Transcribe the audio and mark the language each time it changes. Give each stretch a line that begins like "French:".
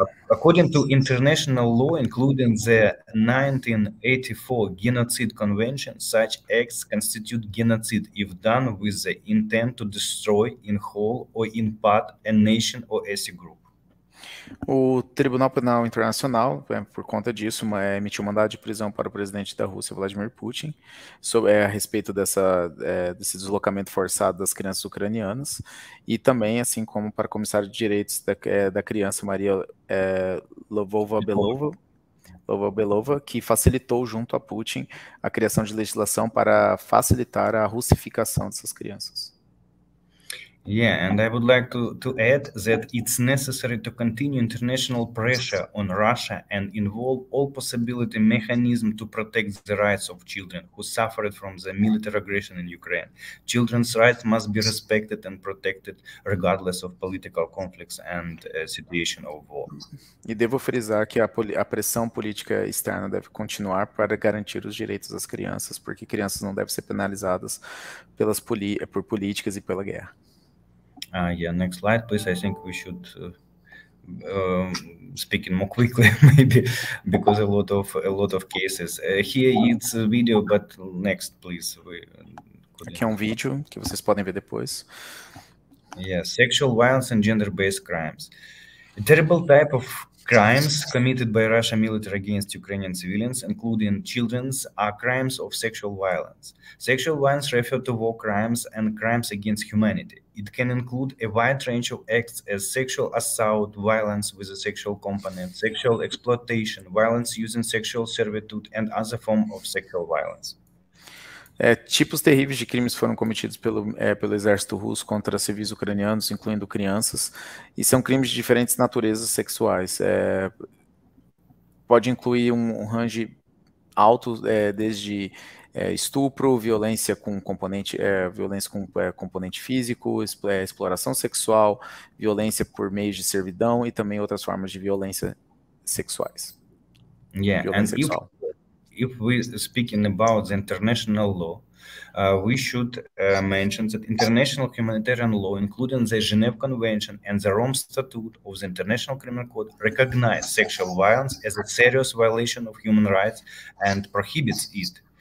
English: According to international law, including the 1984 Genocide Convention, such acts constitute genocide if done with the intent to destroy in whole or in part a nation or ethnic group.
Portuguese: O Tribunal Penal Internacional, por conta disso, emitiu mandado de prisão para o presidente da Rússia, Vladimir Putin, a respeito desse deslocamento forçado das crianças ucranianas, e também, assim como para a comissária de direitos da criança, Maria Lvova-Belova, que facilitou, junto a Putin, a criação de legislação para facilitar a russificação dessas crianças.
English: Yeah, and I would like to add that it's necessary to continue international pressure on Russia and involve all possibility mechanism to protect the rights of children who suffered from the military aggression in Ukraine. Children's rights must be respected and protected regardless of political conflicts and situation of war.
Portuguese: E devo frisar que a pressão política externa deve continuar para garantir os direitos das crianças, porque crianças não devem ser penalizadas por políticas e pela guerra.
English: Next slide, please. I think we should speak more quickly, maybe, because a lot of cases. Here it's a video, but next, please.
Portuguese: Aqui é um vídeo que vocês podem ver depois.
English: Sexual violence and gender-based crimes. A terrible type of crimes committed by Russian military against Ukrainian civilians, including children, are crimes of sexual violence. Sexual violence refers to war crimes and crimes against humanity. It can include a wide range of acts as sexual assault, violence with a sexual component, sexual exploitation, violence using sexual servitude, and other forms of sexual violence.
Portuguese: É, tipos terríveis de crimes foram cometidos pelo exército russo contra civis ucranianos, incluindo crianças, e são crimes de diferentes naturezas sexuais. É, pode incluir um range alto, desde estupro, violência com componente, violência com componente físico, exploração sexual, violência por meios de servidão e também outras formas de violência sexuais.
English: Yeah, violência and sexual. If we're speaking about the international law, we should mention that international humanitarian law, including the Geneva Convention and the Rome Statute of the International Criminal Court, recognize sexual violence as a serious violation of human rights and prohibits it.